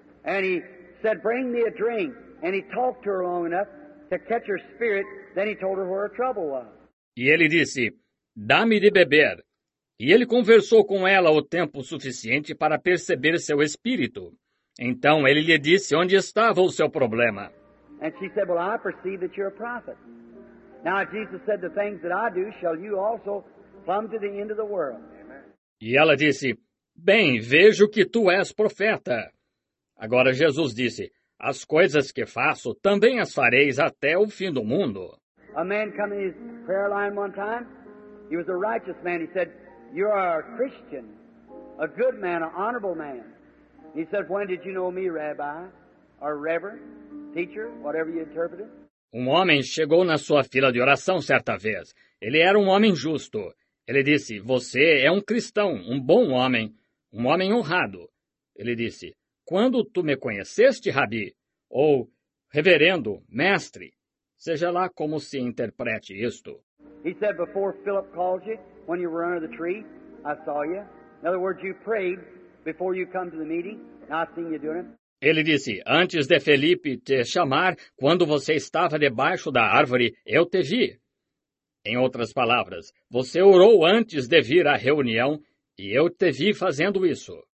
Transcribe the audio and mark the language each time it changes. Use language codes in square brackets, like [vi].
[en] And he said, "Bring me a drink." And he talked to her long enough to catch her spirit. Then he told her where her trouble was. [pt] E ele disse, "Dá-me de beber." E ele conversou com ela o tempo suficiente para perceber seu espírito. Então ele lhe disse onde estava o seu problema. [en] And she said, "Well, I perceive that you're a prophet." Now Jesus said, "The things that I do, shall you also plumb to the end of the world." [pt] E ela disse, "Bem, vejo que tu és profeta." Agora Jesus disse, "As coisas que faço, também as fareis até o fim do mundo." [en] A man came to his prayer line one time. He was a righteous man. He said, "You are a Christian, a good man, an honorable man." He said, "When did you know me, Rabbi, or Reverend, teacher, whatever you interpreted?" [pt] Um homem chegou na sua fila de oração certa vez. Ele era um homem justo. Ele disse, "Você é um cristão, um bom homem, um homem honrado." Ele disse, "Quando tu me conheceste, Rabi?" Ou, "Reverendo, mestre." Seja lá como se interprete isto. [en] He said, "Before Philip called you, when you were under the tree, I saw you." In other words, you prayed before you come to the meeting, and I've seen you doing it. [pt] Ele disse, "Antes de Felipe te chamar, quando você estava debaixo da árvore, eu te vi." Em outras palavras, você orou antes de vir à reunião e eu te vi fazendo isso.